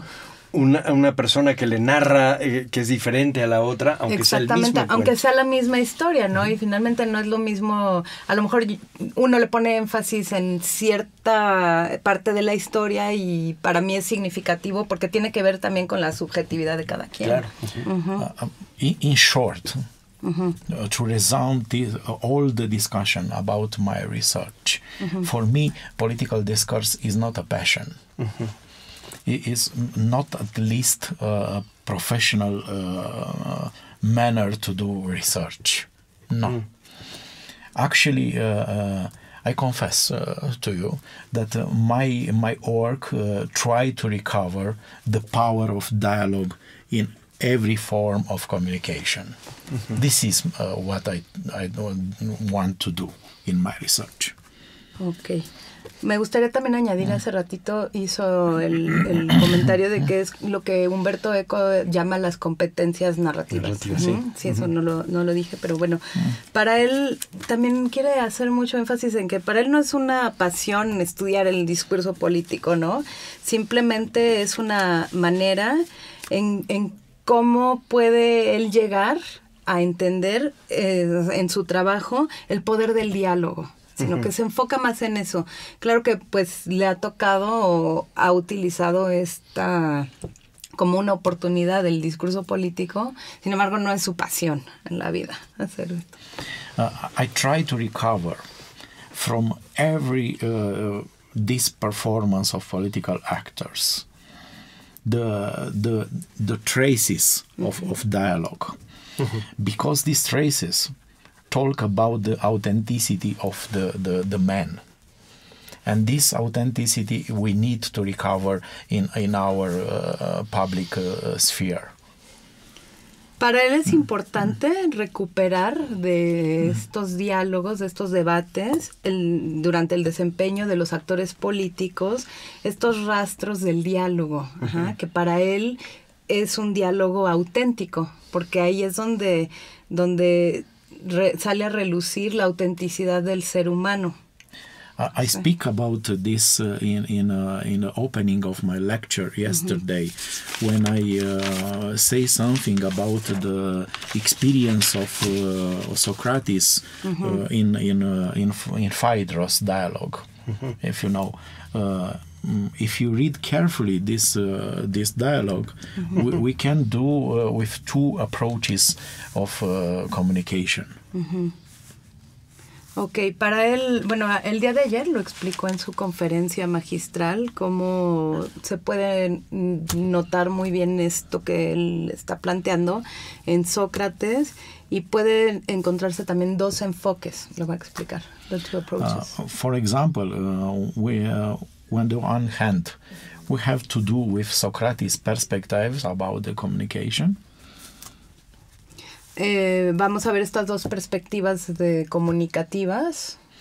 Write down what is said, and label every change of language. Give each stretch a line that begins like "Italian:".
Spanish: Sí, una persona que le narra que es diferente a la otra, aunque sea el mismo. Exactamente, aunque sea la misma historia, ¿no? Uh-huh. Y finalmente no es lo mismo. A lo mejor uno le pone énfasis en cierta parte de la historia y para mí es significativo porque tiene que ver también con la subjetividad de cada quien.
English: Claro. Uh-huh. In short, uh-huh. To resume all the discussion about my research, uh-huh. for me, political discourse is not a passion. Uh-huh. It is not at least a professional manner to do research. No. Mm. Actually, I confess to you that my work try to recover the power of dialogue in every form of communication. Mm-hmm. This is what I want to do in my research. Okay.
Spanish: Me gustaría también añadir, hace ratito hizo el comentario de que es lo que Umberto Eco llama las competencias narrativas. Narrativa, sí. Sí, eso no lo dije, pero bueno. Para él, también quiere hacer mucho énfasis en que para él no es una pasión estudiar el discurso político, ¿no? Simplemente es una manera en cómo puede él llegar a entender en su trabajo el poder del diálogo. sino que se enfoca más en eso. Claro que pues le ha tocado o ha utilizado esta como una oportunidad del discurso político, sin embargo no es su pasión en la vida hacer esto.
English: I try to recover from every this performance of political actors the traces of dialogue, because these traces talk about the authenticity of the man, and this authenticity we need to recover in our public sphere.
Spanish: Para él es importante recuperar de estos diálogos, de estos debates, durante el desempeño de los actores políticos, estos rastros del diálogo, que para él es un diálogo auténtico, porque ahí es donde sale a relucir la autenticidad del ser humano.
English: I speak about this in the opening of my lecture yesterday, when I say something about the experience of Socrates in Phaedrus' dialogue. If you know, if you read carefully this this dialogue, we can do with two approaches of communication.
Spanish: Okay, para él, bueno, el día de ayer lo explicó en su conferencia magistral, cómo se puede notar muy bien esto que él está planteando en Sócrates, y puede encontrarse también dos enfoques, lo va a explicar,
English: the two approaches. For example, when the one hand, we have to do with Socrates' perspectives about the communication.
Spanish: Vamos a ver estas dos perspectivas de comunicativas.